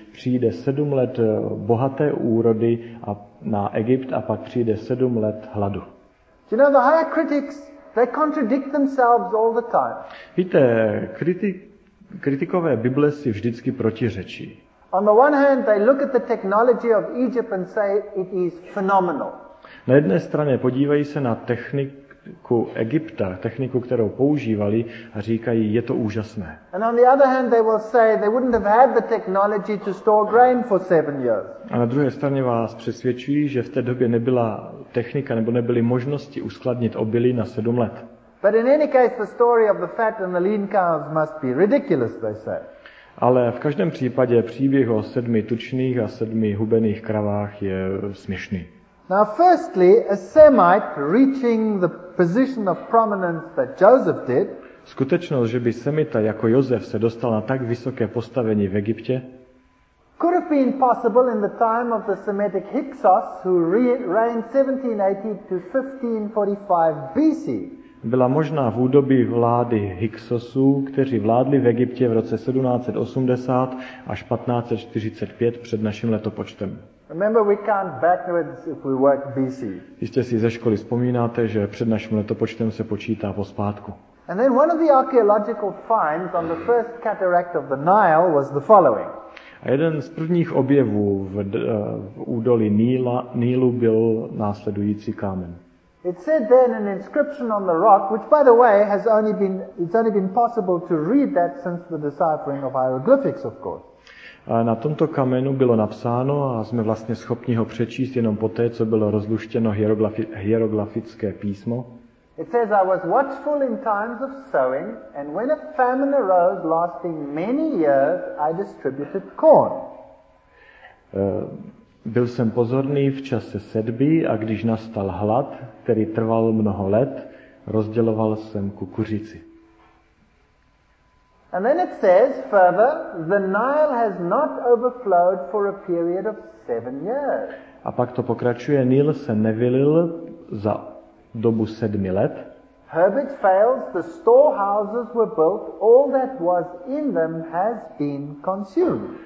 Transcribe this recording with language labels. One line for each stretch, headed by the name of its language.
Czech: Přijde 7 let bohaté úrody a na Egypt a pak přijde 7 let hladu.
English: You know, the higher critics, they contradict themselves all the time.
Czech: Víte, kritikové Bible si vždycky protiřečí.
English: On the one hand, they look at the technology of Egypt and say it is phenomenal.
Czech: Na jedné straně podívají se na techniku Egypta, techniku, kterou používali, a říkají, je to úžasné.
English: And on the other hand, they will say they wouldn't have had the technology to store grain for 7 years.
Czech: A na druhé straně vás přesvědčují, že v té době nebyla technika nebo nebyly možnosti uskladnit obilí na 7 let.
English: But in any case, the story of the fat and the lean cows must be ridiculous, they say.
Czech: Ale v každém případě příběh o 7 tučných a 7 hubených kravách je směšný.
English: Now firstly, a Semite reaching the position of prominence that Joseph did.
Czech: Skutečnost, že by Semita jako Josef se dostal na tak vysoké postavení v Egyptě.
English: Could have been possible in the time of the Semitic Hyksos, who reigned 1780 to 1545 BC.
Czech: Byla možná v údobí vlády Hyksosů, kteří vládli v Egyptě v roce 1780 až 1545 před naším letopočtem.
English: Remember, we count backwards if we work BC.
Czech: Jistě si ze školy vzpomínáte, že před naším letopočtem se počítá pozpátku.
English: And then one of the archaeological finds on the first cataract of the Nile was the following.
Czech: A jeden z prvních objevů v údolí Nílu byl následující kámen.
English: It said then an inscription on the rock, which by the way has only been possible to read that since the deciphering of hieroglyphics, of course.
Czech: Na tomto kamenu bylo napsáno a jsme vlastně schopni ho přečíst jenom poté, co bylo rozluštěno hieroglyfické písmo.
English: It says I was watchful in times of sowing, and when a famine arose lasting many years, I distributed corn.
Czech: Byl jsem pozorný v čase sedby a když nastal hlad, který trval mnoho let, rozděloval jsem kukuřici.
English: And then it says further, the Nile has not overflowed for a period of 7 years.
Czech: A pak to pokračuje, Nil se nevylil za dobu 7 let.
English: Herbage fails, the storehouses were built, all that was in them has been consumed.